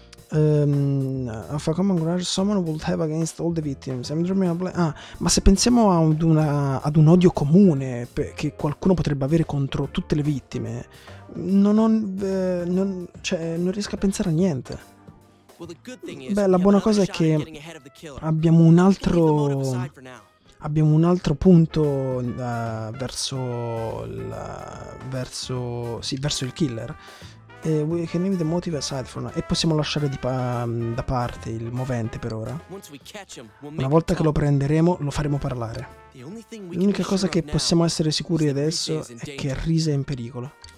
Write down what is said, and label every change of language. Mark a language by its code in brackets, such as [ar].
[en] Of a common grudge someone would have against all the victims. [it] Ma se pensiamo ad un odio comune che qualcuno potrebbe avere contro tutte le vittime, non riesco a pensare a niente. La buona cosa è che abbiamo un altro punto verso il killer. [en] We can leave the motive aside for now. [it] E possiamo lasciare da parte il movente per ora. Una volta che lo prenderemo, lo faremo parlare. L'unica cosa che possiamo essere sicuri adesso è che Risa è in pericolo.